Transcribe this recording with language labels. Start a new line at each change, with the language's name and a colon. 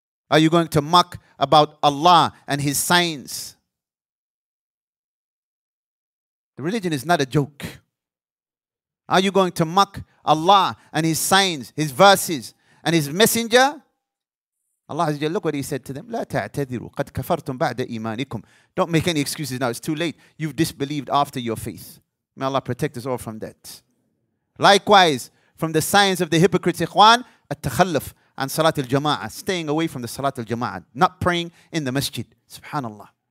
English: Are you going to mock about Allah and His signs? The religion is not a joke. Are you going to mock Allah and His signs, His verses, and His messenger? Allah Azza wa Jalla, look what He said to them.
Arabic: لا تعتذروا قد كفرتم بعد إيمانكم.
English: Don't make any excuses now. It's too late. You've disbelieved after your faith. May Allah protect us all from that. Likewise, from the signs of the hypocrites, ikhwan,
Arabic: التخلف عن صلاة الجماعة.
English: Staying away from the صلاة الجماعة. Not praying in the masjid. Subhanallah.